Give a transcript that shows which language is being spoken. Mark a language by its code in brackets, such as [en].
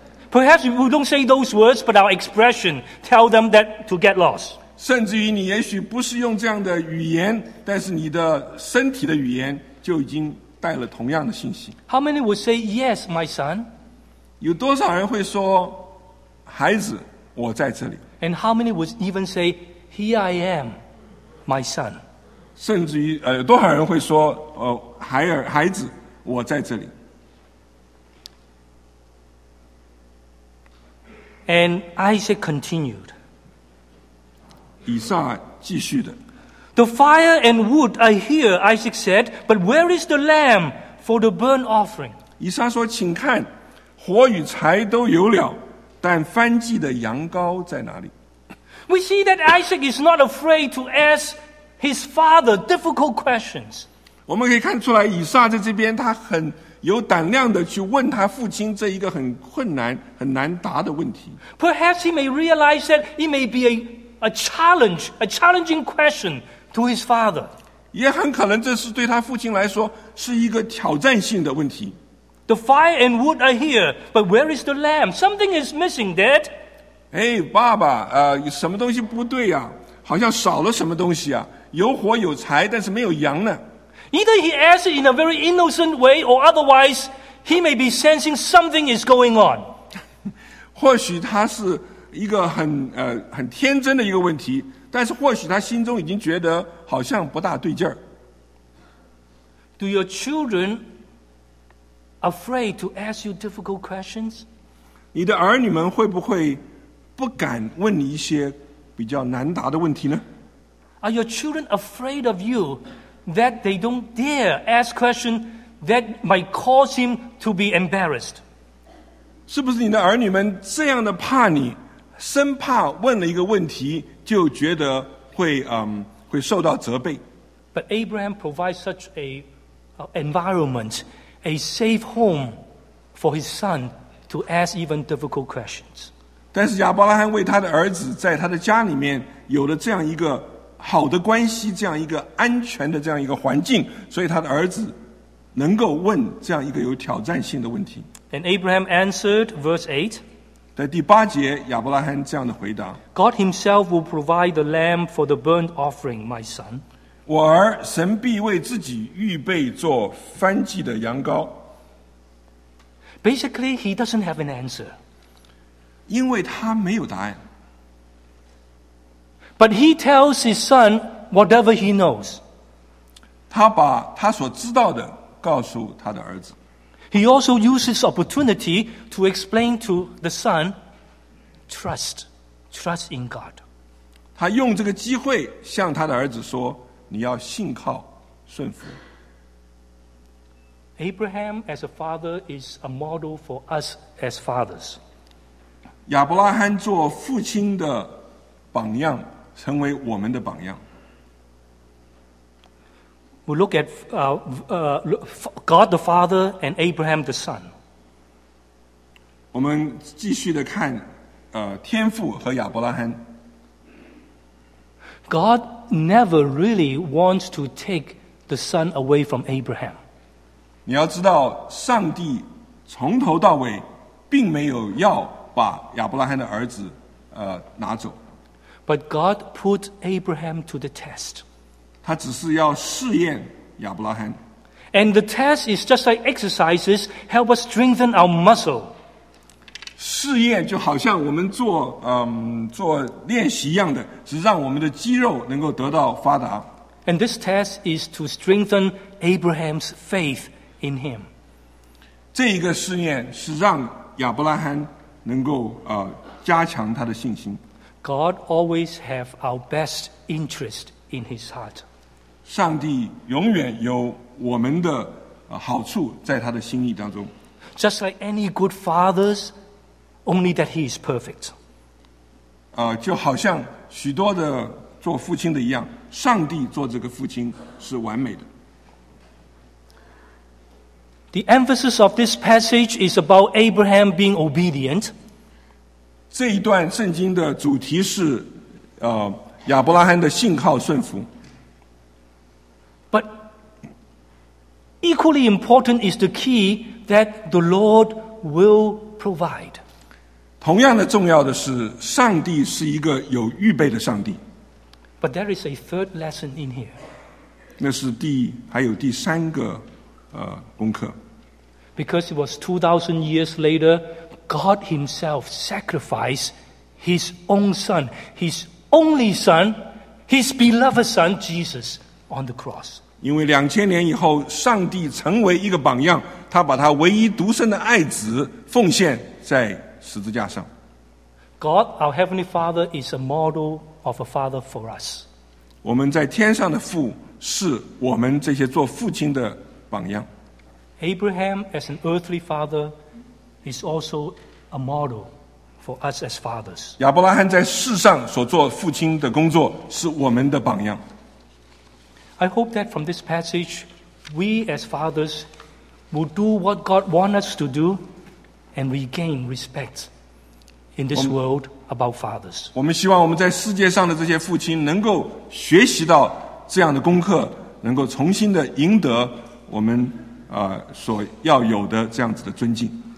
[en] Perhaps we don't say those words, but our expression tell them that to get lost. [zh] 甚至于你也许不是用这样的语言，但是你的身体的语言就已经带了同样的信息。 [en] How many would say yes, my son? [zh] 有多少人会说，孩子，我在这里。 [en] And how many would even say, here I am, my son? [zh] 甚至于多少人会说，孩子，我在这里。 [en] And Isaac continued. [zh] 以撒继续的。 [en] The fire and wood are here, Isaac said, but where is the lamb for the burnt offering? [zh] 以撒说，请看，火与柴都有了，但燔祭的羊羔在哪里？ [en] We see that Isaac is not afraid to ask his father difficult questions. [zh] 我们可以看出来，以撒在这边他很有胆量的去问他父亲这一个很困难很难答的问题。 [en] Perhaps he may realize that it may be a challenging question to his father. [zh] 也很可能这是对他父亲来说是一个挑战性的问题。 [en] The fire and wood are here, but where is the lamb? Something is missing, Dad. [zh] Hey, 爸爸，什么东西不对啊，好像少了什么东西啊，有火有柴但是没有羊呢。 [en] Either he asks it in a very innocent way, or otherwise, he may be sensing something is going on. [zh] 或许他是一个很天真的一个问题，但是或许他心中已经觉得好像不大对劲儿。 [en] Do your children afraid to ask you difficult questions? [zh] 你的儿女们会不会不敢问你一些比较难答的问题呢？ [en] Are your children afraid of you? That they don't dare ask questions that might cause him to be embarrassed. [zh] 是不是你的儿女们这样的怕你，生怕问了一个问题就觉得会受到责备？ [en] But Abraham provides such a environment, a safe home for his son to ask even difficult questions. [zh] 但是亚伯拉罕为他的儿子在他的家里面有了这样一个。好的关系，这样一个安全的这样一个环境，所以他的儿子能够问这样一个有挑战性的问题。 [en] And Abraham answered, verse 8. [zh] 在第八节，亚伯拉罕这样的回答。 [en] God himself will provide the lamb for the burnt offering, my son. [zh] 我儿，神必为自己预备做燔祭的羊羔。 [en] Basically, he doesn't have an answer. [zh] 因为他没有答案。 [en] But he tells his son whatever he knows. [zh] 他把他所知道的告诉他的儿子。 [en] He also uses opportunity to explain to the son, trust in God. [zh] 他用这个机会向他的儿子说，你要信靠，顺服。 [en] Abraham as a father is a model for us as fathers. [zh] 亚伯拉罕做父亲的榜样，成为我们的榜样。 [en] We look at God the Father and Abraham the Son. [zh] 我们继续的看，天父和亚伯拉罕。 [en] God never really wants to take the son away from Abraham. [zh] 你要知道，上帝从头到尾并没有要把亚伯拉罕的儿子，拿走。 [en] But God put Abraham to the test. [zh] 他只是要试验亚伯拉罕。 [en] And the test is just like exercises help us strengthen our muscle. [zh] 试验就好像我们做做练习一样的，只让我们的肌肉能够得到发达。 [en] And this test is to strengthen Abraham's faith in him. [zh] 这一个试验是让亚伯拉罕能够加强他的信心。 [en] God always have our best interest in his heart. [zh] 上帝永远有我们的好处在他的心意当中。 [en] Just like any good fathers, only that he is perfect. [zh] 就好像许多的做父亲的一样，上帝做这个父亲是完美的。 [en] The emphasis of this passage is about Abraham being obedient. [zh] 这一段圣经的主题是，亚伯拉罕的信靠顺服。 [en] But equally important is the key that the Lord will provide. [zh] 同样的重要的是，上帝是一个有预备的上帝。 [en] But there is a third lesson in here. [zh] 那是还有第三个，功课。 [en] Because it was 2,000 years later. God himself sacrificed his own son, his only son, his beloved son, Jesus, on the cross. [zh] 因为两千年以后，上帝成为一个榜样，他把他唯一独生的爱子奉献在十字架上。 [en] God, our Heavenly Father, is a model of a father for us. [zh] 我们在天上的父是我们这些做父亲的榜样。 [en] Abraham, as an earthly father,is also a model for us as fathers. [zh] 亚伯拉罕在世上所做父亲的工作是我们的榜样。 [en] I hope that from this passage, we as fathers will do what God wants us to do and regain respect in this world about fathers. [zh] 我们希望我们在世界上的这些父亲能够学习到这样的功课，能够重新的赢得我们所要有的这样子的尊敬。